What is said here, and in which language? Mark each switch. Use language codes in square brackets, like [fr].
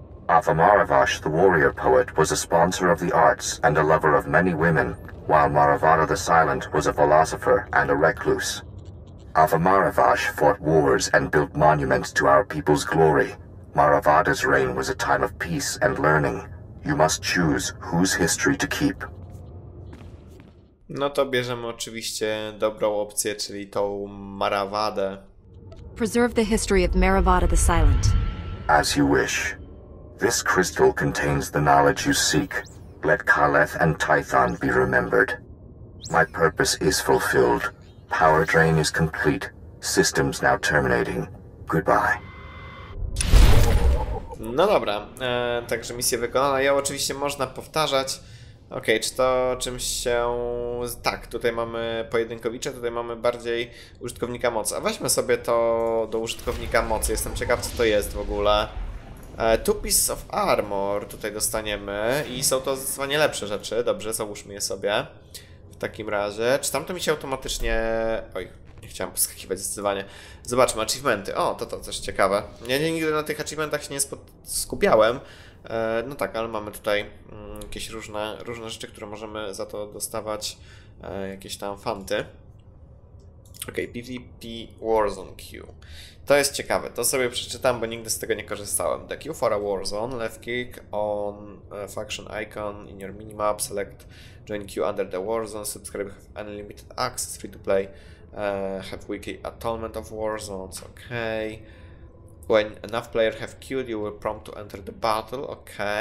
[en] Avamaravash, the warrior poet, was a sponsor of the arts and a lover of many women, while Maravada the Silent was a philosopher and a recluse. Avamaravash fought wars and built monuments to our people's glory. Maravada's reign was a time of peace and learning. You must choose whose history to keep. [pl] No to bierzemy oczywiście dobrą opcję, czyli tą Maravadę. [en] Preserve the history of Maravada the Silent. As you wish. This crystal contains the knowledge you seek. Let Kaleth and Tython be remembered. My purpose is fulfilled. Power drain is complete. Systems now terminating. Goodbye. [pl] No dobra, także misja wykonana. Ja oczywiście można powtarzać. Okej, czy to czymś się... Tak, tutaj mamy pojedynkowicze, tutaj mamy bardziej użytkownika mocy. A weźmy sobie to do użytkownika mocy. Jestem ciekaw, co to jest w ogóle. [en] Two pieces of armor [pl] tutaj dostaniemy i są to zdecydowanie lepsze rzeczy. Dobrze, załóżmy je sobie w takim razie. Czy tamto mi się automatycznie... Oj, nie chciałem poskakiwać zdecydowanie. Zobaczmy, achievementy. O, to coś ciekawe. Ja nigdy na tych achievementach się nie skupiałem. No tak, ale mamy tutaj jakieś różne rzeczy, które możemy za to dostawać. Jakieś tam fanty. Ok, PvP Warzone Queue. To jest ciekawe, to sobie przeczytam, bo nigdy z tego nie korzystałem. [en] The queue for a Warzone, left click on faction icon in your minimap, select join queue under the Warzone, subscribe have unlimited access, free to play, have weekly atonement of Warzones, ok. When enough players have queued, you will prompt to enter the battle, ok.